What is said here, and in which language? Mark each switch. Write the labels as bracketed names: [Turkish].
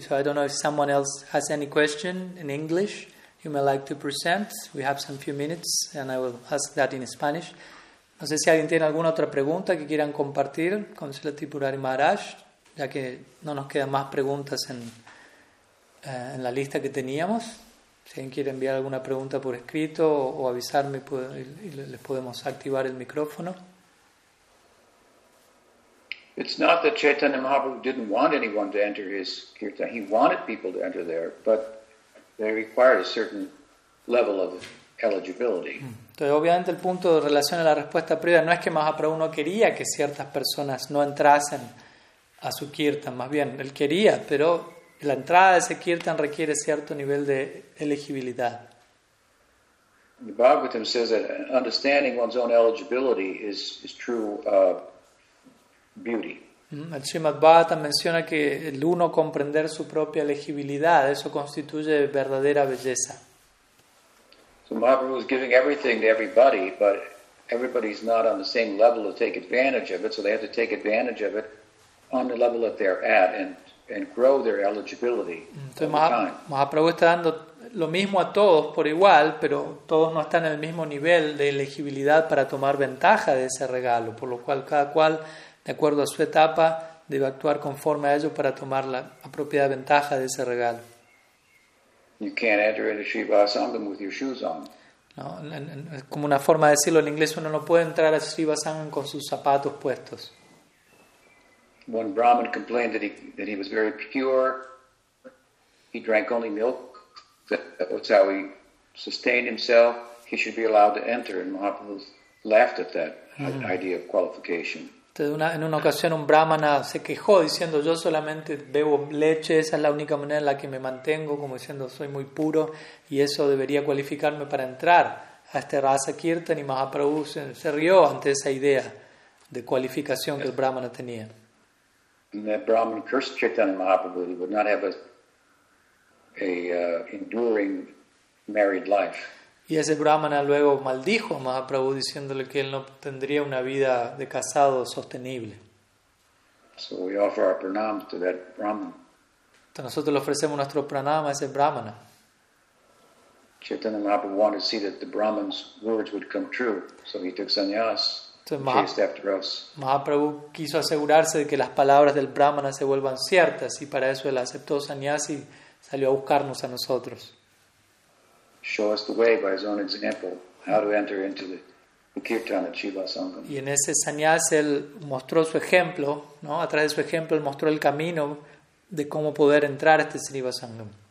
[English] So I don't know if someone else has any question in English you may like to present. We have some few minutes and I will ask that in Spanish. [Spanish] No sé si alguien tiene alguna otra pregunta que quieran compartir con Srila Tripurari Maharaj, ya que no nos quedan más preguntas en la lista que teníamos. Si alguien quiere enviar alguna pregunta por escrito o avisarme y les podemos activar el micrófono. [English] It's not that Chaitanya Mahaprabhu didn't want anyone to enter his kirtan. He wanted people to enter there, but they required a certain level of eligibility. [Spanish] Entonces, obviamente, el punto de relación a la respuesta previa no es que Mahaprabhu no quería que ciertas personas no entrasen a su kirtan. Más bien, él quería, pero la entrada de ese kirtan requiere cierto nivel de elegibilidad. [English] The Bhagavatam says that understanding one's own eligibility is true beauty. [Spanish] El Srimad Bhagavatam menciona que el uno comprender su propia elegibilidad, eso constituye verdadera belleza. [English] So Mahaprabhu is giving everything to everybody, but everybody's not on the same level to take advantage of it, so they have to take advantage of it on the level that they're at and grow their eligibility. [Spanish] Entonces, Mahaprabhu está dando lo mismo a todos por igual, pero todos no están en el mismo nivel de elegibilidad para tomar ventaja de ese regalo, por lo cual cada cual, de acuerdo a su etapa, debe actuar conforme a ello para tomar la apropiada ventaja de ese regalo. [English] You can't enter into Shiva Sangam with your shoes on. [Spanish] No, como una forma de decirlo en inglés, uno no puede entrar a Shiva Sangam con sus zapatos puestos. [English] One Brahmin complained that he was very pure. He drank only milk. That's how he sustained himself. He should be allowed to enter. And Mahaprabhu laughed at that idea of qualification. [Spanish] En una ocasión un brahmana se quejó diciendo, yo solamente bebo leche, esa es la única manera en la que me mantengo, como diciendo, soy muy puro y eso debería cualificarme para entrar a este Rasa Kirtan. Y Mahaprabhu se rió ante esa idea de cualificación que el brahmana tenía. [English] And that brahmana cursed Chaitanya Mahaprabhu, he would not have an enduring married life. [Spanish] Y ese brahmana luego maldijo a Mahaprabhu diciéndole que él no tendría una vida de casado sostenible. [English] So we offer our pranams to that brahmana. [Spanish] Entonces nosotros le ofrecemos nuestro pranama a ese brahmana. [English] Chaitanya Mahaprabhu wanted to see that the brahman's words would come true, so he took sannyas. [Spanish] Mahaprabhu quiso asegurarse de que las palabras del brahmana se vuelvan ciertas y para eso él aceptó sannyas y salió a buscarnos a nosotros. [English] Show us the way by his own example how to enter into the kirtan of Shiva Sangam. [Spanish] Y en ese sannyas él mostró su ejemplo, ¿no? A través de su ejemplo él mostró el camino de cómo poder entrar a este Shiva Sangam.